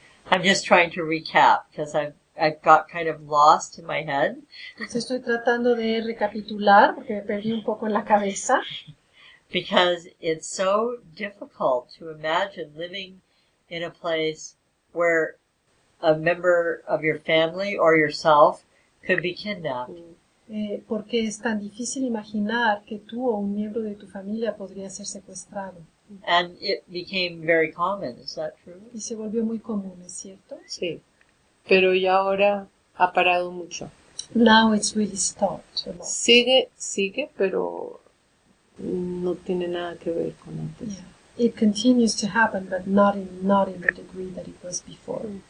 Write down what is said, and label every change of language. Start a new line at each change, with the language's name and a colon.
English: I'm just trying to recap because I've got kind of lost in my head.
Spanish: Entonces estoy tratando de recapitular porque me perdí un poco en la cabeza.
English: Because it's so difficult to imagine living in a place where a member of your family or yourself could be kidnapped.
Spanish: Porque es tan difícil imaginar que tú o un miembro de tu familia podría ser secuestrado.
English: And it became very common, is that true?
Spanish: Y se volvió muy común, ¿es cierto? Sí. Pero ya ahora ha parado mucho.
English: Now it's really stopped.
Spanish: Sigue, pero no tiene nada que ver con antes.
English: Yeah. It continues to happen, but not in the degree that it was before.